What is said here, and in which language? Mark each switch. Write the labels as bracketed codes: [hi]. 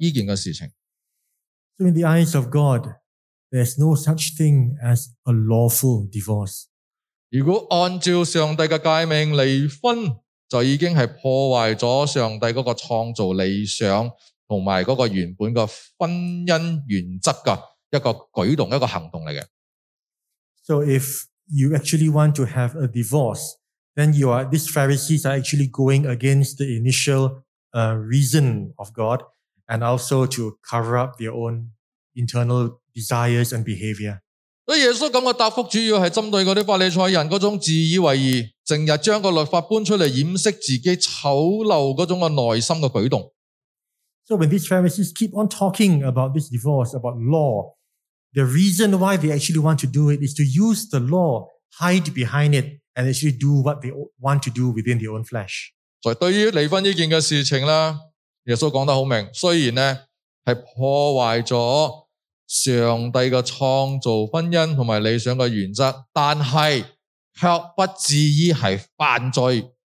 [en] in the eyes of God, there's no such thing as a lawful divorce. [zh] 如果按照上帝的诫命离婚， 就已经是破坏了上帝那个创造理想和那个原本的婚姻原则的一个举动，一个行动来的。 [en] So if you actually want to have a divorce, then you are, these Pharisees are actually going against the initial reason of God and also to cover up their own internal desires and behavior. [zh] 耶稣这样的答复主要是针对那些法利赛人那种自以为义，整日将个律法搬出来掩饰自己丑陋那种内心的举动。 [en] So when these Pharisees keep on talking about this divorce, about law, the reason why they actually want to do it is to use the law, hide behind it, and actually do what they want to do within their own flesh. [zh] 所以对于离婚这件事情，耶稣讲得很明，虽然是破坏了上帝的创造婚姻和理想的原则，但是却不至于是犯罪。